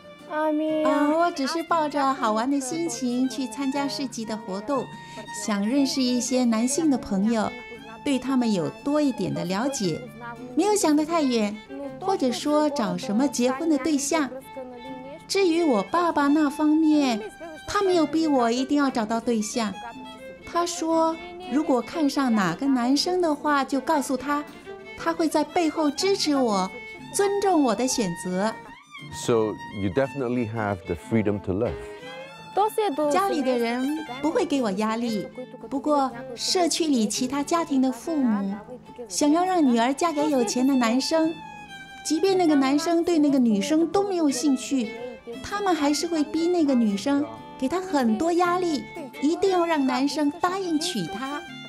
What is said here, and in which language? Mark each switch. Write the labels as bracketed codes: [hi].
[en] I mean, [zh] 我只是抱着好玩的心情去参加市集的活动，想认识一些男性的朋友，对他们有多一点的了解，没有想得太远，或者说找什么结婚的对象。至于我爸爸那方面，他没有逼我一定要找到对象。他说如果看上哪个男生的话就告诉他，他会在背后支持我，尊重我的选择。 [en] So you definitely have the freedom to love. [zh] 家里的人不会给我压力，不过社区里其他家庭的父母想要让女儿嫁给有钱的男生，即便那个男生对那个女生都没有兴趣，他们还是会逼那个女生给他很多压力，一定要让男生答应娶她。